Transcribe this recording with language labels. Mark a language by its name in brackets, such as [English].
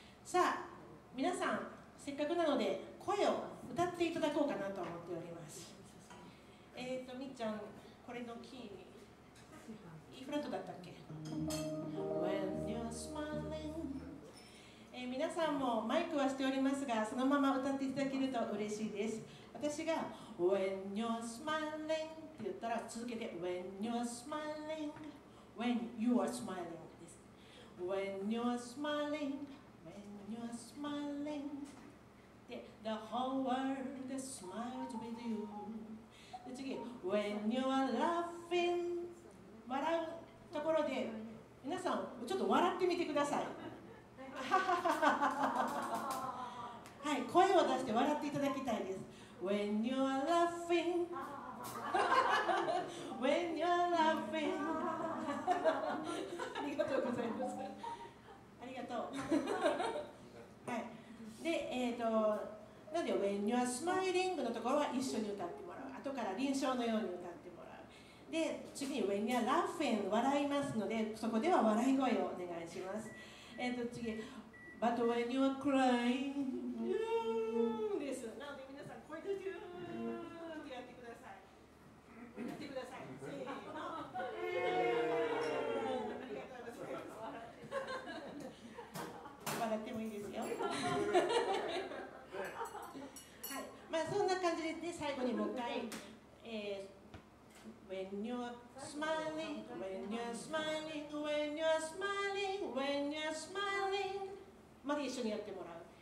[Japanese] さあ皆さん、せっかくなので声を歌っていただこうかなと思っております。みっちゃん、これのキーに E フラットだったっけ。 [English] When you're smiling、 [Japanese] 皆さんもマイクはしておりますが、そのまま歌っていただけると嬉しいです。私が [English] When you're smiling [Japanese] って言ったら、続けて [English] When you're smiling When you are smiling [Japanese] です。 [English] When you're smiling When you're smilingThe whole world smiles with you. [Japanese] 次、 [English] When you are laughing [Japanese] 笑うところで皆さんちょっと笑ってみてください。はい、声を出して笑っていただきたいです。 [English] When you are laughing When you are laughing [Japanese] ありがとうございます。ありがとう。はい、で、なので [English] When you are smiling [Japanese] のところは一緒に歌ってもらう、後から臨床のように歌ってもらう。で次に [English] When you are laughing [Japanese] 笑いますので、そこでは笑い声をお願いします。次 [English] But when you are crying [Japanese] です。なので皆さん声でうーってやってください。やってください。せーの、笑ってもいいですよ。はい、まあ、そんな感じで最後にもう一回、 [English] When you're smiling When you're smiling When you're smiling When you're smiling [Japanese] まで一緒にやってもらう。